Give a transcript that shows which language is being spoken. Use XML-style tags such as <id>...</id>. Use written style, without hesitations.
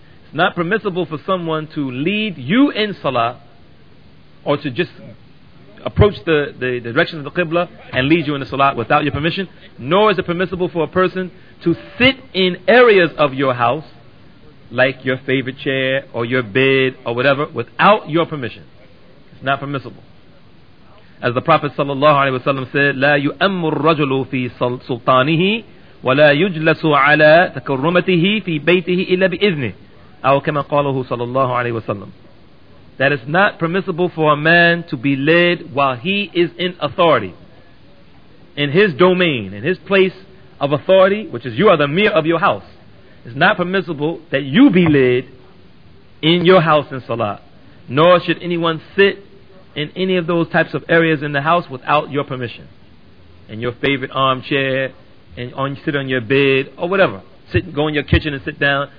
<en>It's not permissible for someone to lead you in salah, or to just approach the direction of the qibla and lead you in the salah without your permission. Nor is it permissible for a person to sit in areas of your house, like your favorite chair or your bed or whatever, without your permission. It's not permissible. As the Prophet sallallahu alaihi wasallam said,</en> <ar>لا يؤمر الرجل في سلطانه ولا يجلس على تكرمته في بيته إلا بإذنه أو كما قاله صلى الله عليه وسلم.</ar> <en>That is not permissible for a man to be led while he is in authority, in his domain, in his place of authority, which is you are the mayor of your house. It's not permissible that you be led in your house in salah, nor should anyone sit in any of those types of areas in the house without your permission, in your favorite armchair, and on, sit on your bed or whatever, sit, go in your kitchen and sit down.</en>